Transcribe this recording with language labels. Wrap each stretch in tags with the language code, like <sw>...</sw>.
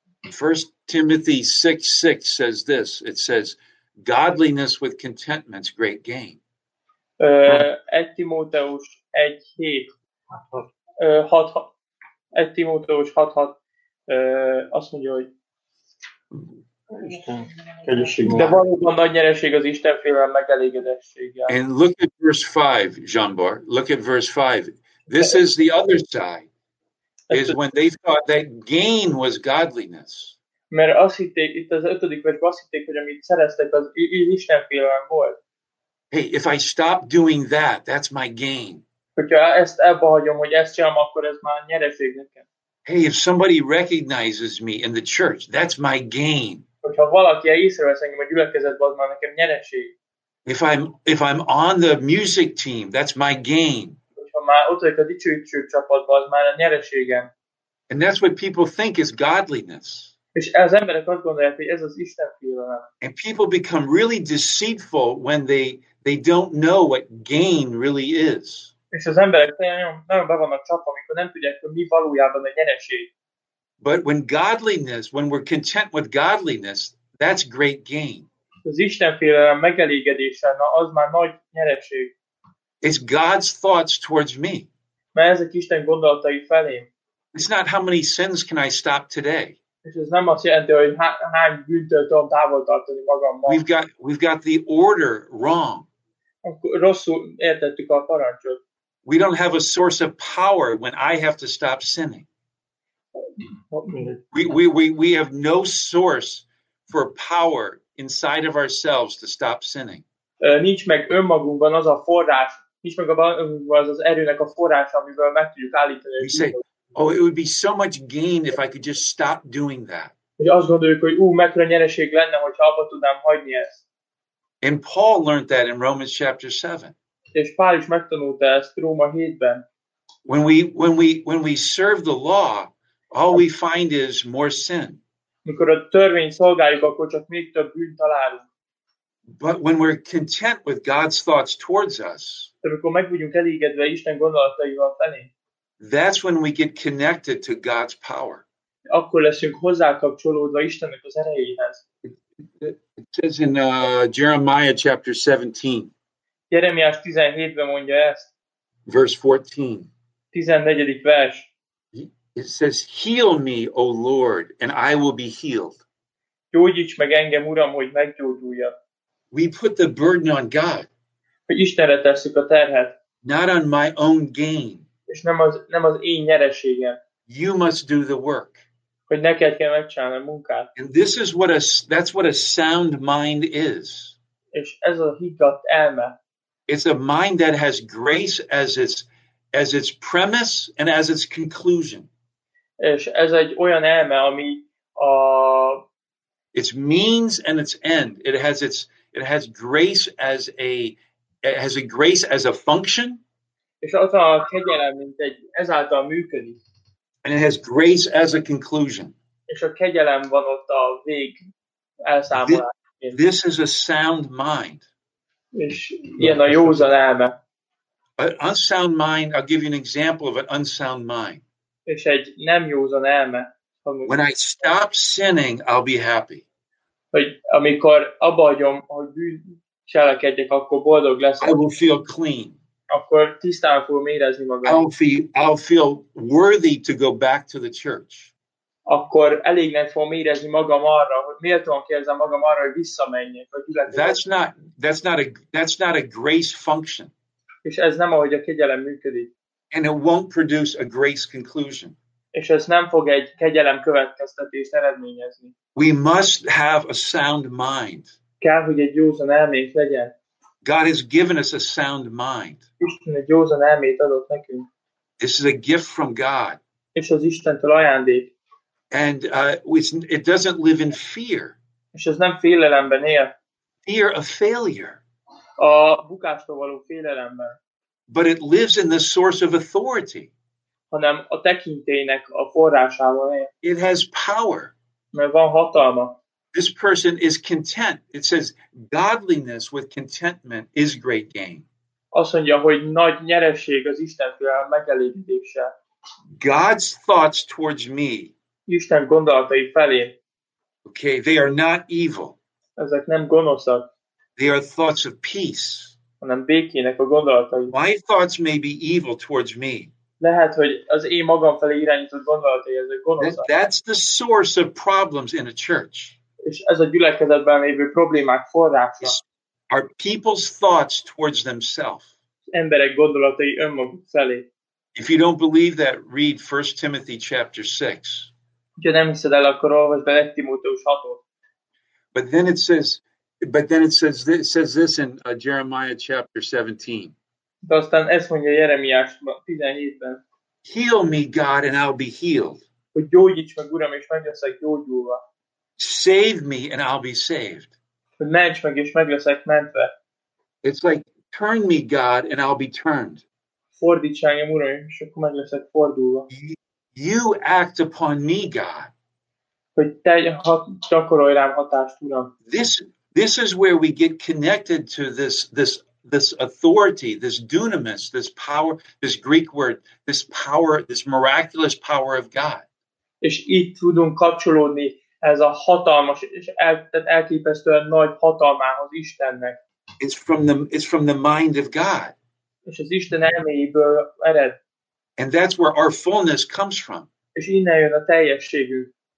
<en>First Timothy 6:6 says this. It says, "Godliness with contentment is great gain."</en> <hu>1 Timóteus 1:7 1 Timóteus 6:6 azt mondja, hogy Isten, de valóban nagy nyereség az Isten félelem megelégedességgel.</hu> <en>And look at verse 5, Jean-Bart. Look at verse 5. This is the other side. Is when they thought that gain was godliness.</en> <hu>Mert azt hitték, itt az ötödik versben azt hitték, hogy amit szereztek, az Isten félelem volt.</hu> <en>Hey, if I stop doing that, that's my gain.</en> <hu>Hogyha ezt ebbe hagyom, hogy ezt csinálom, akkor ez már nyereség nekem.</hu> <en>Hey, if somebody recognizes me in the church, that's my gain.</en> <hu>Hogyha valaki észrevesz engem a gyülekezetben, az már nekem nyereség.</hu> <en>If I'm on the music team, that's my gain.</en> <hu>Hogyha már ott vagyok a dicsőítő csapatban, az már a nyereségem.</hu> <en>And that's what people think is godliness.</en> <hu>És az emberek azt gondolják, hogy ez az Isten félelem.</hu> <en>And people become really deceitful when they don't know what gain really is.</en> <hu>És az emberek nagyon be vannak csapva, amikor nem tudják, hogy mi valójában a nyereség.</hu> <en>But when godliness, when we're content with godliness, that's great gain.</en> <hu>Az Istenfélelem megelégedése, na az már nagy nyereség.</hu> <en>It's God's thoughts towards me.</en> <hu>Mert ezek Isten gondolatai felém.</hu> <en>It's not how many sins can I stop today.</en> <hu>És ez nem azt jelenti, hogy hány bűntől tudom távol tartani magammal.</hu> <en>We've got the order wrong.</en> <hu>Akkor rosszul értettük a parancsot.</hu> <en>We don't have a source of power when I have to stop sinning. We have no source for power inside of ourselves to stop sinning.</en> <hu>Nincs meg önmagunkban az a forrás, nincs meg az erőnek a forrás, amivel meg tudjuk állítani.</hu> <en>You say, oh, it would be so much gain if I could just stop doing that.</en> <hu>Hogy azt gondoljuk, hogy mekkora nyereség lenne, hogyha abba tudnám hagyni ezt.</hu> <en>And Paul learned that in Romans chapter 7.</en> <hu>És Pál is megtanulta ezt Róma 7-ben.</hu> <en>When we serve the law, all we find is more sin.</en> <hu>Mikor a törvényt szolgáljuk, akkor csak még több bűnt találunk.</hu> <en>But when we're content with God's thoughts towards us,</en> <hu>amikor meg vagyunk elégedve Isten gondolataival felé,</hu> <en>that's when we get connected to God's power.</en> <hu>Akkor leszünk hozzákapcsolódva Istennek az erejéhez.</hu> <en>It says in Jeremiah chapter 17.</en> <hu>Jeremiás 17-ben mondja ezt.</hu> <en>Verse 14.</en> <hu>14. vers.</hu> <en>It says, heal me, O Lord, and I will be healed.</en> <hu>Gyógyíts meg engem, Uram, hogy meggyógyuljak.</hu> <en>We put the burden on God.</en> <hu>Hogy Istenre tesszük a terhet.</hu> <en>Not on my own gain.</en> <hu>És nem az én nyereségem.</hu> <en>You must do the work.</en> <hu>Hogy neked kell megcsinálni a munkát.</hu> <en>And this is what that's what a sound mind is.</en> <hu>És ez a higgadt elme.</hu> <en>It's a mind that has grace as its premise and as its conclusion.</en> <hu>És ez egy olyan elme, ami a</hu> <en>its means and its end. It has grace as a grace as a function.</en> <hu>És az a kegyelem, mint egy ezáltal működik.</hu> <en>And it has grace as a conclusion.</en> <hu>És a kegyelem van ott a vég elszámolásként.</hu> <en>This is a sound mind.</en> <hu>És ilyen a józan elme.</hu> <en>An unsound mind, I'll give you an example of an unsound mind.</en> <hu>És egy nem józan elme.</hu> <en>When I stop sinning, I'll be happy.</en> <hu>Hogy amikor abba hagyom, hogy bűncselekedjek, akkor boldog lesz.</hu> <en>I will feel clean.</en> <hu>Akkor tisztán fogom érezni magam.</hu> <en>I'll feel worthy to go back to the church.</en> <hu>Akkor elégnek fogom érezni magam arra, hogy méltóan kérdezem magam arra, hogy visszamenjek.</hu> <en>That's not a grace function.</en> <hu>És ez nem ahogy a kegyelem működik.</hu> <en>And it won't produce a grace conclusion.</en> <hu>És ez nem fog egy kegyelem következtetést eredményezni.</hu> <en>We must have a sound mind.</en> <hu>Kell, hogy egy józan elmét legyen.</hu> <en>God has given us a sound mind.</en> <hu>Isten egy józan elmét adott nekünk.</hu> <en>This is a gift from God.</en> <hu>És az Istentől ajándék.</hu> <en>And it doesn't live in fear.</en> <hu>És ez nem félelemben él.</hu> <en>Fear of failure.</en> <hu>A bukástól való félelemben.</hu> <en>But it lives in the source of authority.</en> <hu>Hanem a tekintélynek a forrásában él.</hu> <en>It has power.</en> <hu>Mert van hatalma.</hu> <en>This person is content. It says, godliness with contentment is great gain.</en> <hu>Azt mondja, hogy nagy nyereség az Istentől megelégítése.</hu> <en>God's thoughts towards me.</en> <hu>Isten gondolatai felé.</hu> <en>Okay, they are not evil.</en> <hu>Ezek nem gonoszak.</hu> <en>They are thoughts of peace.</en> <hu>Hanem békének a gondolatai.</hu> <en>My thoughts may be evil towards me.</en> <hu>Lehet, hogy az én magam felé irányított gondolatai, ezek gonoszak.</hu> <en>That's the source of problems in a church.</en> <hu>És ez a gyülekezetben lévő problémák forrása.</hu> <en>Are people's thoughts towards themselves.</en> <hu>Emberek gondolatai önmaguk felé.</hu> <en>If you don't believe that, read 1 Timothy chapter 6.</en> <hu>Ha nem hiszed el, akkor olvasd be 1 Timóteus 6-ot.</hu> <en>But then it says this in Jeremiah chapter 17.</en> <hu>De aztán ezt mondja Jeremiás 17-ben.</hu> <en>Heal me, God, and I'll be healed.</en> <hu>Hogy gyógyíts meg, Uram, és meg leszek gyógyulva.</hu> <en>Save me, and I'll be saved.</en> <hu>Hogy ments meg, és meg leszek mentve.</hu> <en>It's like, turn me, God, and I'll be turned.</en> <hu>Fordíts engem, Uram, és akkor meg leszek fordulva.</hu> <en>You act upon me, God.</en> <hu>Hogy te gyakorolj rám hatást, Uram.</hu> <en>This is where we get connected to this authority, this dunamis, this power, this Greek word, this power, this miraculous power of God.</en> <hu>és így tudunk kapcsolódni ez a hatalmas és elképesztően nagy hatalmához, Istennek.</hu> <en>It's from the mind of God.</en> <hu>És az Isten elméjéből ered.</hu> <en>And that's where our fullness comes from.</en> <hu>És innen jön a teljességünk.</hu>